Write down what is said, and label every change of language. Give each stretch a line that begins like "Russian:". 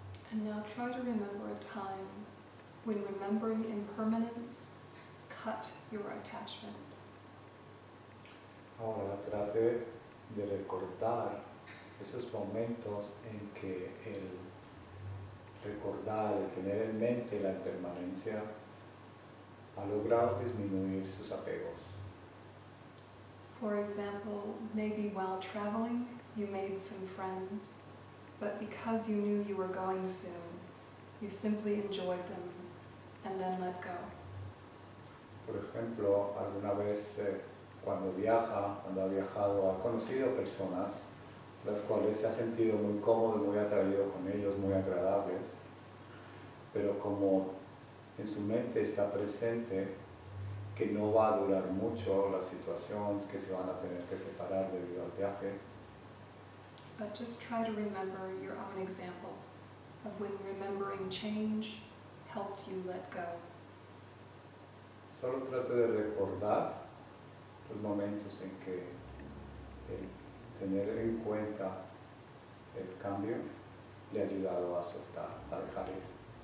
English: And now try to remember a time when remembering impermanence cut your attachment.
Spanish: Ahora trate de recordar esos momentos en que el recordar, el tener en mente la impermanencia, ha logrado disminuir sus apegos.
English: For example, maybe while traveling you made some friends. But because you knew you were going soon, you simply enjoyed them and then let go.
Spanish: Por ejemplo, alguna vez cuando ha viajado, ha conocido personas las cuales se ha sentido muy cómodo, muy atraído con ellos, muy agradables. Pero como en su mente está presente que no va a durar mucho la situación, que se van a tener que separar debido al viaje.
English: But just try to remember your own example of when remembering change helped you let go.
Spanish: Solo trate de recordar los momentos en que el tener en cuenta el cambio le ha ayudado a soltar, a dejar ir.